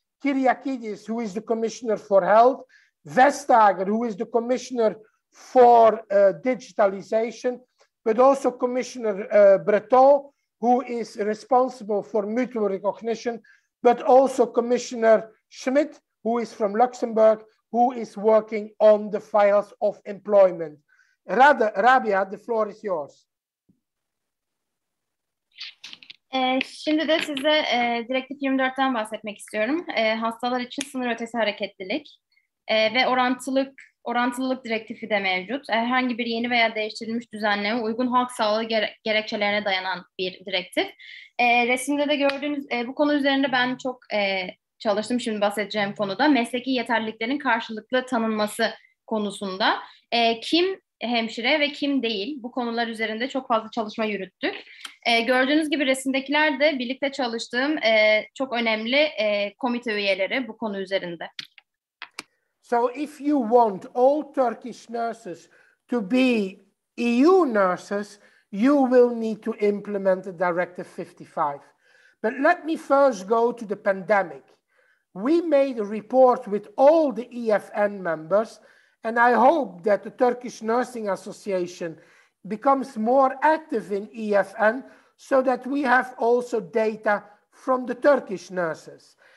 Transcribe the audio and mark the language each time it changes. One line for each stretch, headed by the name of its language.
English: Kyriakides, who is the commissioner for health, Vestager, who is the commissioner for digitalization, but also Commissioner Breton, who is responsible for mutual recognition, but also Commissioner Schmidt, who is from Luxembourg, who is working on the files of employment. Rabia, the floor is yours.
Turkish: Şimdi de size Direktif 24'ten bahsetmek istiyorum. Hastalar için sınır ötesi hareketlilik ve orantılılık direktifi de mevcut. Herhangi bir yeni veya değiştirilmiş düzenleme uygun halk sağlığı gerekçelerine dayanan bir direktif. Resimde de gördüğünüz bu konu üzerinde ben çok çalıştım şimdi bahsedeceğim konuda. Mesleki yeterliliklerin karşılıklı tanınması konusunda. Kim hemşire ve kim değil, bu konular üzerinde çok fazla çalışma yürüttük. Gördüğünüz gibi resimdekiler de birlikte çalıştığım çok önemli komite üyeleri bu konu üzerinde.
English: So if you want all Turkish nurses to be EU nurses, you will need to implement the Directive 55. But let me first go to the pandemic. We made a report with all the EFN members, and I hope that the Turkish Nursing Association becomes more active in EFN so that we have also data from the Turkish nurses.